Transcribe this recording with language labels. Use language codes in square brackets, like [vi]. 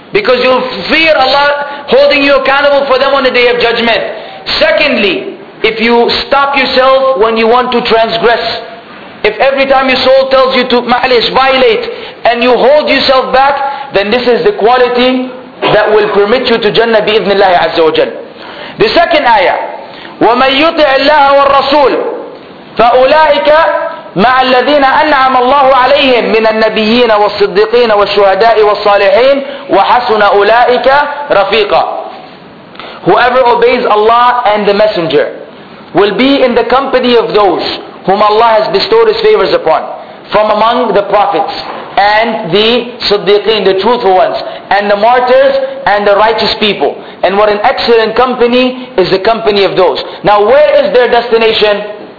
[en] Because you fear Allah holding you accountable for them on the day of judgment. Secondly, if you stop yourself when you want to transgress. If every time your soul tells you to ma'alish, violate, and you hold yourself back, then this is the quality that will permit you to Jannah [ar] بإذن الله عز وجل. [en] The second ayah, [ar] وَمَنْ يُطِعِ اللَّهَ وَالرَّسُولِ فَأُولَٰئِكَ مَعَ الَّذِينَ أَنْعَمَ اللَّهُ عَلَيْهِمْ مِنَ النَّبِيِّينَ وَالصِّدِّقِينَ وَالشُّهَدَاءِ وَالصَّالِحِينَ وَحَسُنَ أُولَٰئِكَ رَفِيقًا. [en] Whoever obeys Allah and the Messenger will be in the company of those whom Allah has bestowed His favors upon, from among the prophets and the Siddiqeen, the truthful ones, and the martyrs and the righteous people. And what an excellent company is the company of those. Now where is their destination?